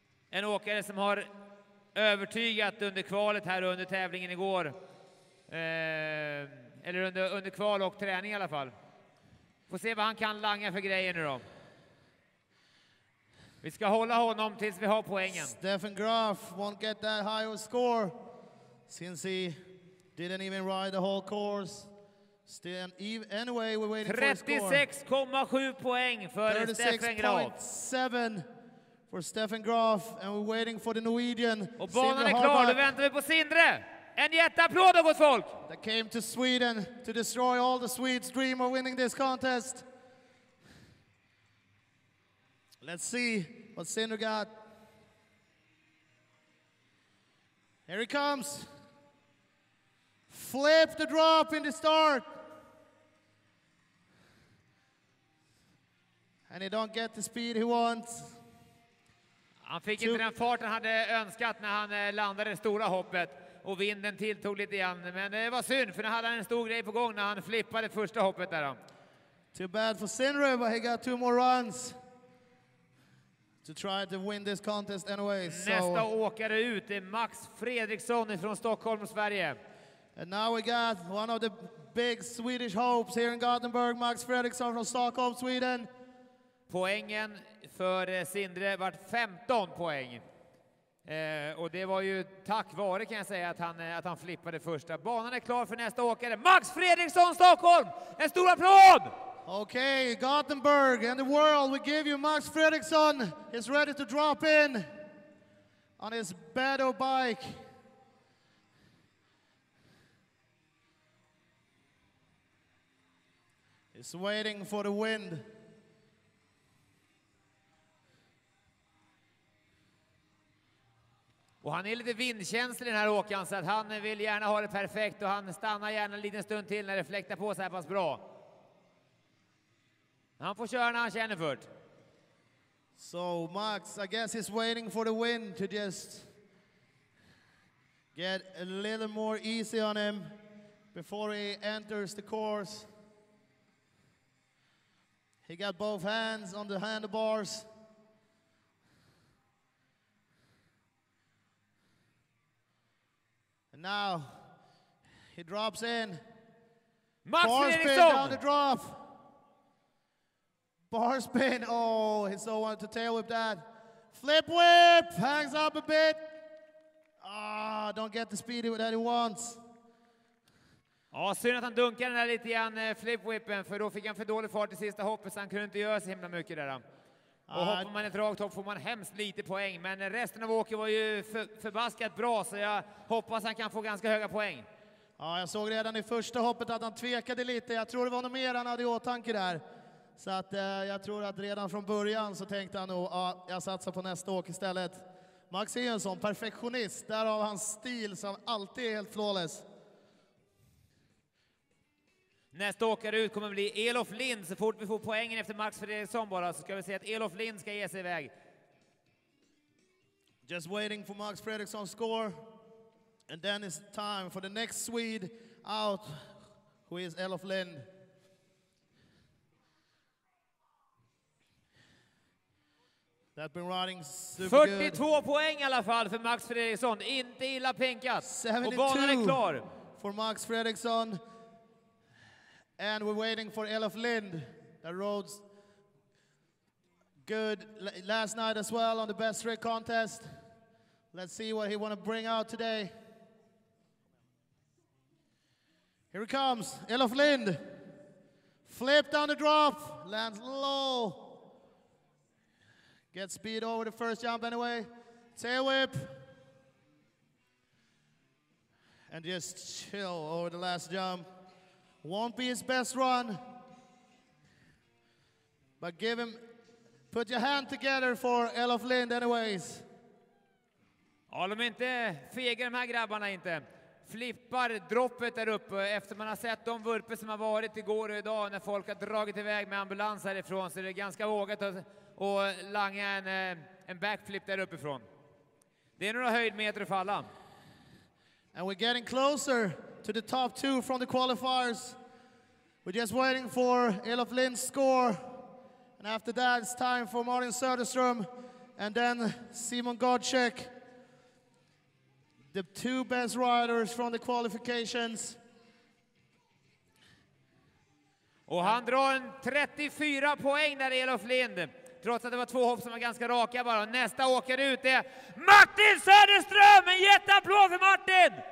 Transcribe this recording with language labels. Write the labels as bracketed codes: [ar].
[sv] En åkare som har övertygat under kvalet här under tävlingen igår. Eller under kval och träning i alla fall. Får se vad han kan langa för grejer nu då. Vi ska hålla honom tills vi har poängen. [en] Stefan Graf won't get that high of a score since he didn't even ride the whole course. Still, anyway, we're waiting for a score. [sv] 36,7 poäng för Stefan Graf. [en] 36,7 for Stefan Graf. And we're waiting for the Norwegian. [sv] Och banan är klar. Nu väntar vi på Sindre. En jätteapplåd åt folk. [en] That came to Sweden to destroy all the Swedes' dream of winning this contest. Let's see what Sindre got. Here he comes. Flip the drop in the start. And he don't get the speed he wants. [sv] Han fick inte den fart han hade önskat när han landade det stora hoppet. Och vinden tilltog lite grann. Men det var synd för nu hade han en stor grej på gång när han flippade första hoppet där. [en] Too bad for Sindre, but he got two more runs to try to win this contest anyway. [sv] Nästa åkare ut är Max Fredriksson från Stockholm, Sverige. [en] And now we got one of the big Swedish hopes here in Gothenburg, Max Fredriksson from Stockholm, Sweden. [sv] Poängen för Sindre var 15 poäng. Och det var ju tack vare kan jag säga att han flippade första. Banan är klar för nästa åkare. Max Fredriksson, Stockholm! En stor applåd! [en] Okay, Gothenburg and the world, we give you Max Fredriksson. He's ready to drop in on his battle bike. It's waiting for the wind. [sv] Och han är lite vindkänslig den här åkaren så att han vill gärna ha det perfekt och han stannar gärna en liten stund till när det fläktar på så här pass bra. Han får köra när han känner för det. [en] So Max, I guess he's waiting for the wind to just get a little more easy on him before he enters the course. He got both hands on the handlebars. And now he drops in. Max Fredriksson down the drop. Bar spin. Oh, he so wanted to tail whip that. Flip whip hangs up a bit. Ah, don't get the speed that he wants. [sv] Ja, synd att han dunkade den där lite grann flip-whippen för då fick han för dålig fart i sista hoppet så han kunde inte göra så himla mycket där. Och hoppar man ett rakt hopp får man hemskt lite poäng men resten av åket var ju förbaskat bra så jag hoppas han kan få ganska höga poäng. Ja, jag såg redan i första hoppet att han tvekade lite. Jag tror det var något mer han hade i åtanke där. Så att jag tror att redan från början så tänkte han nog att jag satsar på nästa åk istället. Max är ju en sån perfektionist. Där har han stil som alltid är helt flawless. Nästa åkare ut kommer bli Elof Lind. Så fort vi får poängen efter Max Fredriksson bara så ska vi se att Elof Lind ska ge sig iväg. [en] Just waiting for Max Fredriksson's score. And then it's time for the next Swede out, who is Elof Lind. That been riding super [sv] 42 [en] good. [sv] Poäng i alla fall för Max Fredriksson. Inte illa pinkat. Och banan är klar. [en] For Max Fredriksson. And we're waiting for Elof Lind, that rode good last night as well on the best trick contest. Let's see what he want to bring out today. Here he comes, Elof Lind. Flip down the drop, lands low. Gets speed over the first jump anyway. Tail whip. And just chill over the last jump. Won't be his best run. But give him, put your hand together for Elof Lind anyways. [sv] Ja, de är inte fega de här grabbarna inte. Flippar droppet där uppe efter man har sett de vurper som har varit igår och idag när folk har dragit iväg med ambulans härifrån, så det är ganska vågat att langa en backflip där uppifrån. Det är några höjdmeter att falla. [en] And we're getting closer to the top two from the qualifiers. We're just waiting for Elof Lind's score. And after that it's time for Martin Söderström and then Simon Gottschalk. The two best riders from the qualifications. [sv] Och han drar en 34 poäng där, Elof Lind. Trots att det var två hopp som var ganska raka bara. Nästa åker ut är Martin Söderström! En jätteapplåd för Martin!